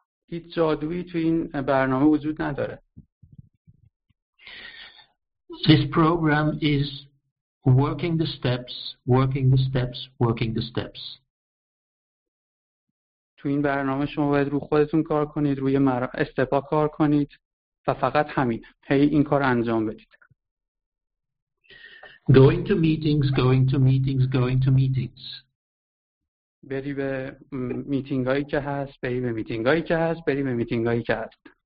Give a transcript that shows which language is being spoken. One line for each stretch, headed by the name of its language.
Persian: هیچ جادویی تو این برنامه وجود نداره.
English: This program is working the steps, working the steps, working the steps.
Persian: تو این برنامه شما باید رو خودتون کار کنید، روی استپا کار کنید و فقط همین، هی این کار انجام بدید.
English: Going to meetings, going to meetings, going to meetings.
Persian: بری به میتینگایی که هست، بری به میتینگایی که هست، بری به میتینگایی که هست.